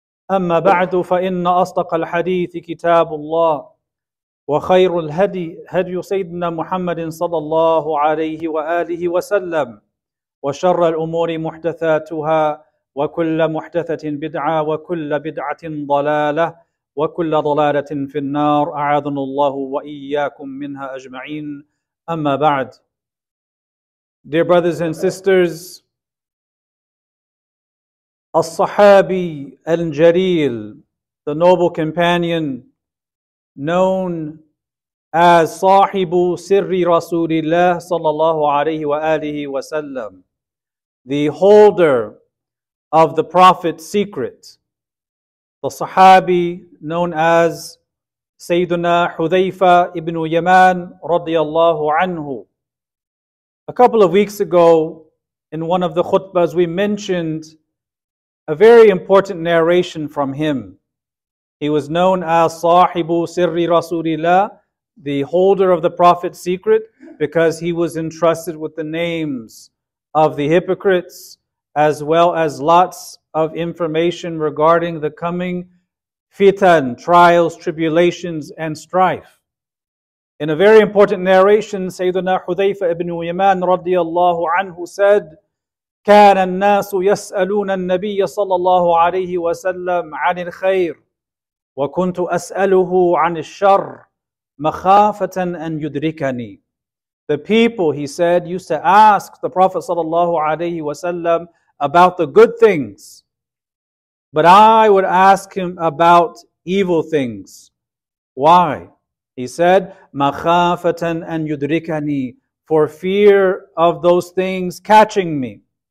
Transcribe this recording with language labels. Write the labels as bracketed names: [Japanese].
[Arabic] أما بعد فإن أصدق الحديث كتاب الله وخير الهدي هدي سيدنا محمد صلى الله عليه وآله وسلم وشر الأمور محدثاتها وكل محدثة بدعة وكل بدعة ضلالة وكل ضلالة في النار أعاذنا الله وإياكم منها أجمعين أما بعد. [English] Dear brothers and sisters, As-Sahabi Al-Jaleel, the noble companion, known as Sahibu Sirri Rasulillah sallallahu alayhi wa alihi wa sallam, the holder of the Prophet's secret, the Sahabi known as Sayyiduna Hudhayfa ibn Yaman radiyallahu anhu. A couple of weeks ago, in one of the khutbas, we mentioned a very important narration from him. He was known as Sahibu Sirri Rasulillah, the holder of the Prophet's secret, because he was entrusted with the names of the hypocrites, as well as lots of information regarding the coming fitan, trials, tribulations, and strife. In a very important narration, Sayyidina Hudhayfa ibn Yaman radiyallahu anhu said, [Arabic] كان الناس يسألون النبي صلى الله عليه وسلم عن الخير وكنت أسأله عن الشر مخافة أن يدركني. [English] The people, he said, used to ask the Prophet صلى الله عليه وسلم about the good things, but I would ask him about evil things. Why? He said, [Arabic] مخافة أن يدركني, [English] for fear of those things catching me.